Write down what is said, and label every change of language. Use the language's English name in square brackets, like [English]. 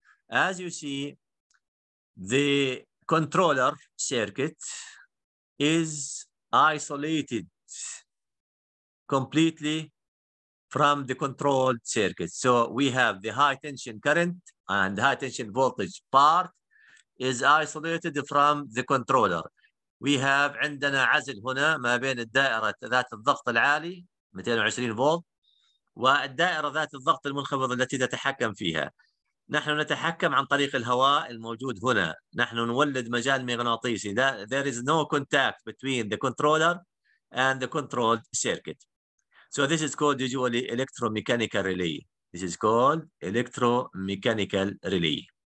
[English] As you see, the controller circuit is isolated completely from the controlled circuit. So we have the high tension current and high tension voltage part is isolated from the controller. We have [Arabic] عندنا عزل هنا ما بين الدائرة ذات الضغط العالي 220 فولت والدائرة ذات الضغط المنخفض التي تتحكم فيها. نحن نتحكم عن طريق الهواء الموجود هنا. نحن نولد مجال مغناطيسي. [English] There is no contact between the controller and the controlled circuit. So this is called usually electromechanical relay. This is called electromechanical relay.